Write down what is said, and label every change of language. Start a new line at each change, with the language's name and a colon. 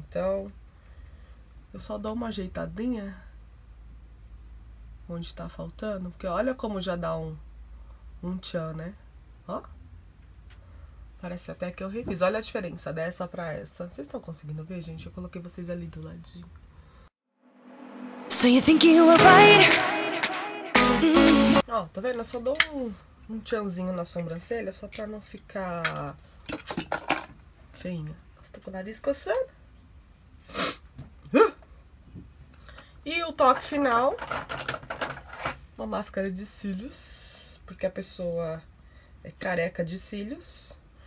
Portuguese: Então eu só dou uma ajeitadinha onde tá faltando, porque olha como já dá um tchan, né? Ó. Parece até que eu reviso. Olha a diferença dessa pra essa. Vocês estão conseguindo ver, gente? Eu coloquei vocês ali do ladinho.
English: So you think you were right?
Portuguese: Ó, tá vendo? Eu só dou um tchanzinho na sobrancelha, só pra não ficar feinha. Nossa, tô com o nariz coçando. E o toque final, uma máscara de cílios, porque a pessoa é careca de cílios.